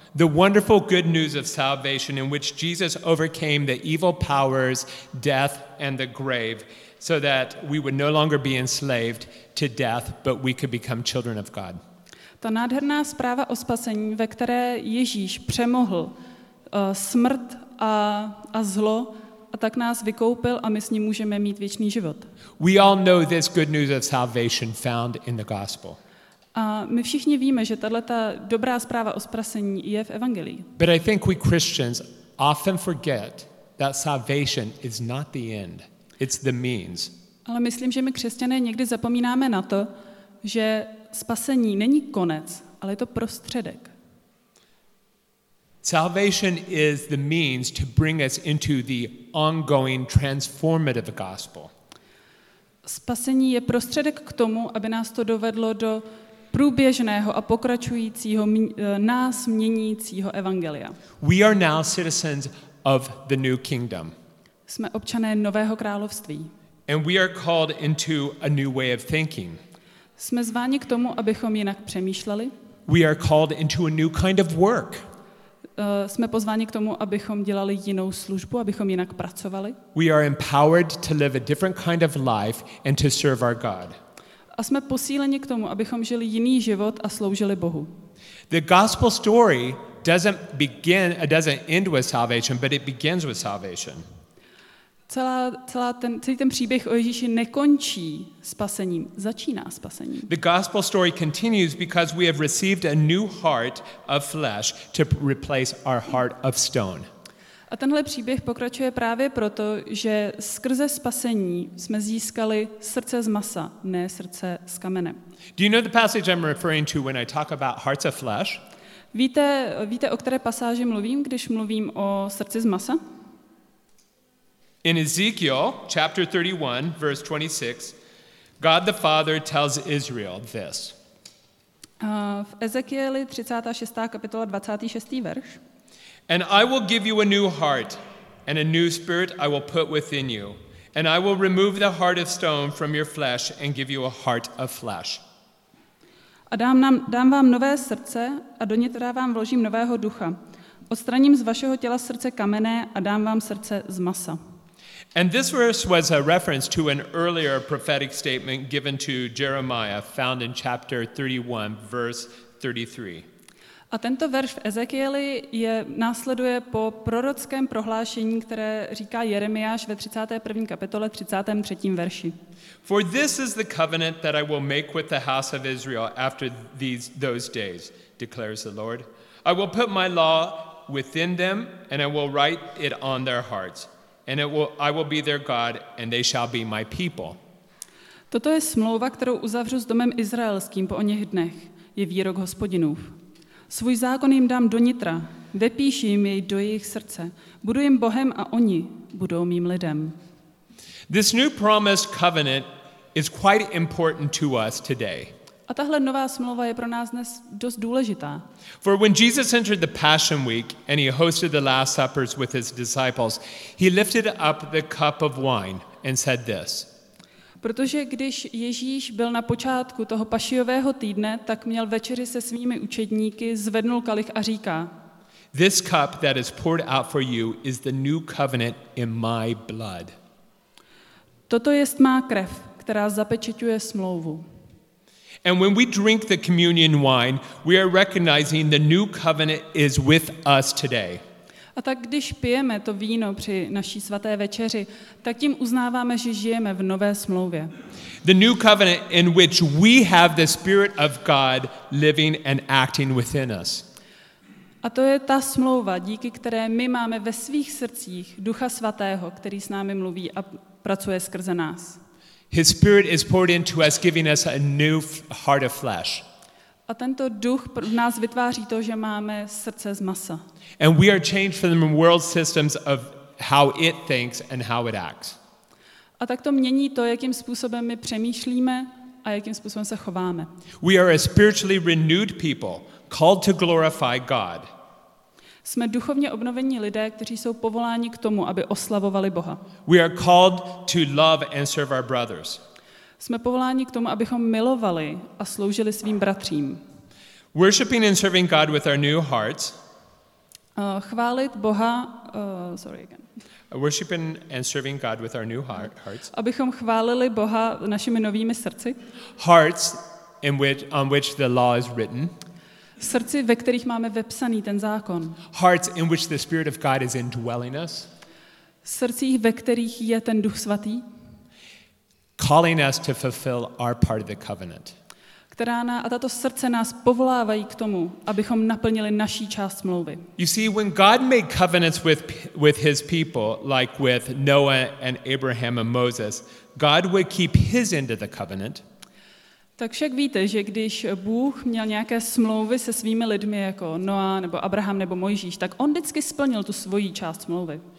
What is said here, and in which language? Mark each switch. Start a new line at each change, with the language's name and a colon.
English: The wonderful good news of salvation in which Jesus overcame the evil powers, death and the grave, so that we would no longer be enslaved to death, but we could become children of God.
Czech: Ta nádherná zpráva o spasení, ve které Ježíš přemohl smrt a zlo, a tak nás vykoupil a my s ním můžeme mít věčný život.
English: We all know this good news of salvation found in the gospel.
Czech: A my všichni víme, že tahle ta dobrá zpráva o spasení je v evangelii.
English: But I think we Christians often forget that salvation is not the end. It's the means.
Czech: Ale myslím, že my křesťané někdy zapomínáme na to, že spasení není konec, ale je to prostředek.
English: Salvation is the means to bring us into the ongoing transformative gospel.
Czech: Spasení je prostředek k tomu, aby nás to dovedlo do průběžného a pokračujícího nás měnícího evangelia.
English: We are now citizens of the new kingdom.
Czech: Jsme občané nového království.
English: And we are called into a new way of thinking.
Czech: Jsme zváni k tomu, abychom jinak přemýšleli.
English: We are called into a new kind of work.
Czech: Jsme pozváni k tomu, abychom dělali jinou službu, abychom jinak pracovali.
English: We are empowered to live a different kind of life and to serve our God.
Czech: A jsme posíleni k tomu, abychom žili jiný život a sloužili Bohu.
English: The gospel story doesn't end with salvation, but it begins with salvation.
Czech: Celý ten příběh o Ježíši nekončí spasením, začíná spasením.
English: The gospel story continues because we have received a new heart of flesh to replace our heart of stone.
Czech: A tenhle příběh pokračuje právě proto, že skrze spasení jsme získali srdce z masa, ne srdce z kamene.
English: Do you know the passage I'm referring to when I talk about hearts of flesh?
Czech: Víte, o které pasáži mluvím, když mluvím o srdci z masa?
English: In Ezekiel chapter 31 verse 26, God the Father tells Israel this.
Czech: V Ezekieli 36. kapitola 26. verš.
English: And I will give you a new heart and a new spirit I will put within you, and I will remove the heart of stone from your flesh and give you a heart of flesh.
Czech: A dám vám nové srdce a do nitra vám vložím nového ducha. Odstraním z vašeho těla srdce kamenné a dám vám srdce z masa.
English: And this verse was a reference to an earlier prophetic statement given to Jeremiah, found in chapter 31, verse 33.
Czech: A tento verš v Ezekieli následuje po prorockém prohlášení, které říká Jeremiáš ve 31. kapitole 33. verši.
English: For this is the covenant that I will make with the house of Israel after those days, declares the Lord. I will put my law within them, and I will write it on their hearts. And I will be their God, and they shall be my people.
Czech: Toto je smlouva, kterou uzavřu s domem izraelským po oněch dnech, je výrok Hospodinův. Svůj zákon jim dám do nitra, vepíši jim jej do jejich srdce. Budu jim Bohem a oni budou mým lidem.
English: This new promised covenant is quite important to us today.
Czech: A tahle nová smlouva je pro nás dnes dost důležitá.
English: For when Jesus entered the Passion Week and he hosted the Last Suppers with his disciples, he lifted up the cup of wine and said this.
Czech: Protože když Ježíš byl na počátku toho pašijového týdne, tak měl večeři se svými učedníky, zvednul kalich a říká:
English: This cup that is poured out for you is the new covenant in my blood.
Czech: Toto jest má krev, která zapečeťuje smlouvu.
English: And when we drink the communion wine, we are recognizing the new covenant is with us today.
Czech: A tak když pijeme to víno při naší svaté večeři, tak tím uznáváme, že žijeme v nové smlouvě.
English: The new covenant in which we have the Spirit of God living and acting within us.
Czech: A to je ta smlouva, díky které my máme ve svých srdcích Ducha Svatého, který s námi mluví a pracuje skrze nás.
English: His Spirit is poured into us, giving us a new heart of flesh.
Czech: A tento duch v nás vytváří to, že máme srdce z masa.
English: And we are changed from the world systems of how it thinks and how it acts.
Czech: A tak to mění to, jakým způsobem my přemýšlíme a jakým způsobem se chováme.
English: We are a spiritually renewed people called to glorify God.
Czech: Jsme duchovně obnovení lidé, kteří jsou povoláni k tomu, aby oslavovali Boha.
English: We are called to love and serve our brothers.
Czech: Jsme povoláni k tomu, abychom milovali a sloužili svým bratřím.
English: Worshiping and serving God with our new hearts.
Czech: Chválit Boha,
English: Worshiping and serving God with our new hearts.
Czech: Abychom chválili Boha našimi novými srdci.
English: Hearts in which on which the law is written.
Czech: Srdci, ve kterých máme vepsaný ten zákon.
English: Hearts in which the Spirit of God is indwelling us.
Czech: Srdci, ve kterých je ten Duch svatý.
English: Calling us to fulfill our part of the covenant.
Czech: Která na, a tato srdce nás povolávají k tomu, abychom naplnili naší část smlouvy.
English: You see, when God made covenants with his people, like with Noah and Abraham and Moses, God would keep his end of the covenant.
Czech: Tak však víte, že když Bůh měl nějaké smlouvy se svými lidmi, jako Noah nebo Abraham nebo Mojžíš, tak on vždycky splnil tu svoji část smlouvy.